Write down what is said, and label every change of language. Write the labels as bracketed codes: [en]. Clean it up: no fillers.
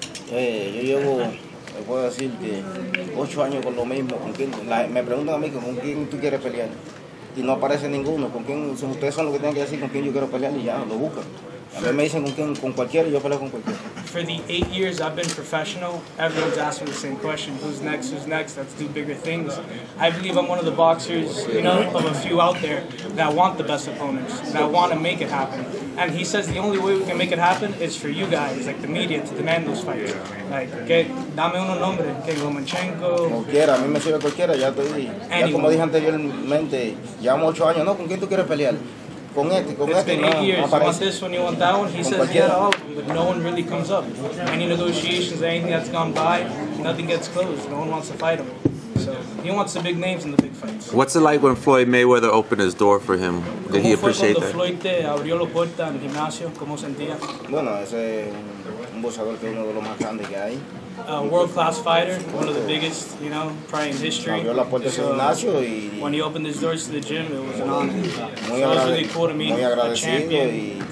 [es] Yo llevo, puedo decir que 8 años con lo mismo, con quién, me preguntan a mí con quién tú quieres pelear y no aparece ninguno, con quién, si ustedes son los que tienen que decir con quién yo quiero pelear y ya, lo buscan. A mí me dicen con quién, con cualquiera y yo peleo con cualquiera. [en] For the 8 years I've been professional, everyone's asking the same question, who's next, let's do bigger things. I believe I'm one of the boxers, you know, of a few out there that want the best opponents, that want to make it happen. And he says the only way we can make it happen is for you guys, like the media, to demand those fights. Like, [es] dame uno nombre, que Lomachenko. Cualquiera, a mí me sirve cualquiera, ya te dije. Ya como dije anteriormente, llevamos 8 años, ¿no? ¿Con quién tú quieres pelear? Con este, con [en] it's [es] este, [en] been 8 years. You want this one, you want that one? He says, yeah, oh, but no one really comes up. Any negotiations, anything that's gone by, nothing gets closed. No one wants to fight him. So he wants the big names in the big fights. What's it like when Floyd Mayweather opened his door for him? Did he appreciate that? [es] Floyd te abrió la puerta en el gimnasio, ¿cómo sentía? Bueno, ese es un boxeador que es uno de los más grandes que hay. [en] A world-class fighter, one of the biggest, you know, probably in history. So, when he opened his doors to the gym, it was an honor. So it was really cool to meet a champion.